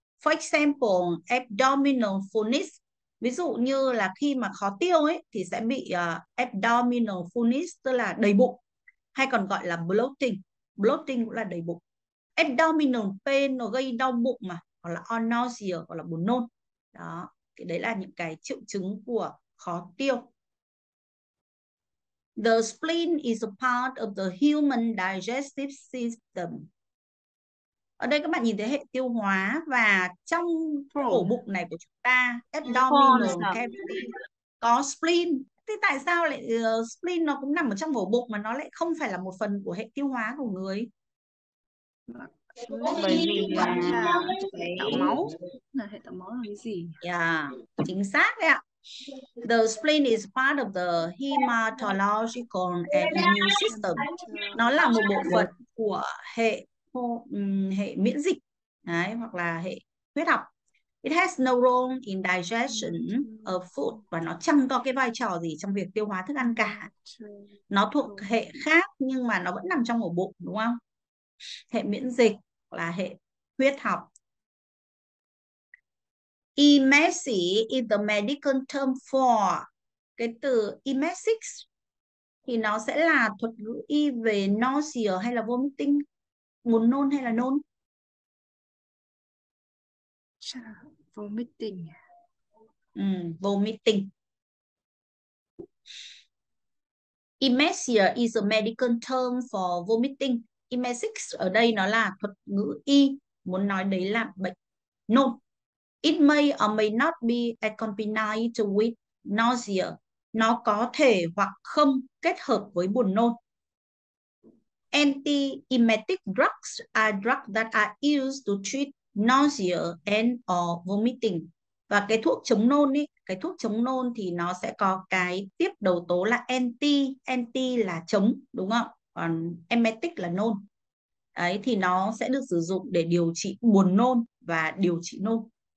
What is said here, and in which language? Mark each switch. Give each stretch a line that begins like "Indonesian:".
English: For example, abdominal fullness.
Vietnamese: Ví dụ như là khi mà khó tiêu ấy thì sẽ bị abdominal fullness, tức là đầy bụng, hay còn gọi là bloating. Bloating cũng là đầy bụng. Abdominal pain nó gây đau bụng mà, hoặc là nausea, hoặc là buồn nôn. Đó, thì đấy là những cái triệu chứng của khó tiêu.
English: The spleen is a part of the human digestive system.
Vietnamese: Ở đây các bạn nhìn thấy hệ tiêu hóa, và trong ổ bụng này của chúng ta, abdominal cavity, có spleen. Thế tại sao lại spleen nó cũng nằm ở trong ổ bụng mà nó lại không phải là một phần của hệ tiêu hóa của người? Bởi vì là hệ tạo máu. Là hệ tạo máu là cái gì? Yeah, chính xác đấy ạ.
English: The spleen is part of the hematological and immune system.
Vietnamese: Nó là một bộ phận của hệ hệ miễn dịch đấy, hoặc là hệ huyết học.
English: It has no role in digestion of food,
Vietnamese: và nó chẳng có cái vai trò gì trong việc tiêu hóa thức ăn cả. Nó thuộc hệ khác nhưng mà nó vẫn nằm trong ổ bụng, đúng không? Hệ miễn dịch là hệ huyết học.
English: Emesis is the medical term for,
Vietnamese: cái từ emesis thì nó sẽ là thuật ngữ y về nausea hay là vomiting, muốn nôn hay là nôn.
English: Vomiting. Vomiting. Emesis is a medical term for vomiting.
Vietnamese: Emesis ở đây nó là thuật ngữ y muốn nói đấy là bệnh nôn.
English: It may or may not be accompanied with nausea.
Vietnamese: Nó có thể hoặc không kết hợp với buồn nôn.
English: Anti-emetic drugs are drugs that are used to treat nausea and or vomiting.
Vietnamese: Và cái thuốc chống nôn ấy, cái thuốc chống nôn thì nó sẽ có cái tiếp đầu tố là anti. Anti là chống, đúng không? Còn emetic là nôn. Đấy, thì nó sẽ được sử dụng để điều trị buồn nôn và điều trị nôn.